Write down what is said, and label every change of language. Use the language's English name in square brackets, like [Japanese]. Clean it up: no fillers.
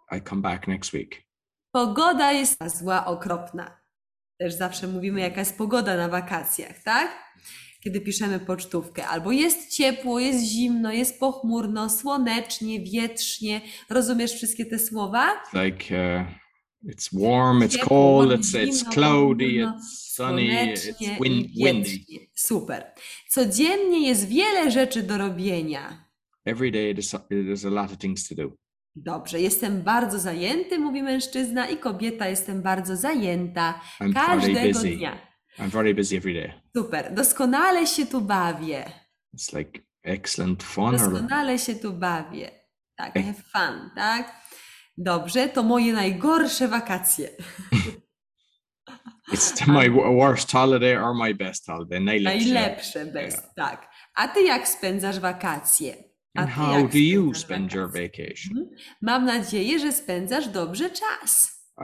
[English] I come back next week. [Polish] Pogoda jest zła, okropna. Też zawsze mówimy, jaka jest pogoda na wakacjach, tak? Kiedy piszemy pocztówkę. Albo jest ciepło, jest zimno, jest pochmurno, słonecznie, wietrznie. Rozumiesz wszystkie te słowa? [English] Like, it's warm, it's ciepło, cold, it's cloudy, pochmurno, it's sunny, it's windy. [Polish] Super. Codziennie jest wiele rzeczy do robienia. [English] Every day there's a lot of things to do. [Polish] Dobrze. Jestem bardzo zajęty, mówi mężczyzna, i kobieta, jestem bardzo zajęta. Każdego dnia. [English] I'm very busy every day. [Polish] Super. Doskonale się tu bawię. [English] It's like excellent fun. [Polish] Doskonale się tu bawię. Tak, [English] have fun, [Polish] tak? Dobrze, to moje najgorsze wakacje. [English] It's my worst holiday or my best holiday. [Polish] Najlepsze best, yeah. Tak. A ty jak spędzasz wakacje? [English] And how do you spend your vacation? [Polish] Mam nadzieję, że spędzasz dobrze czas.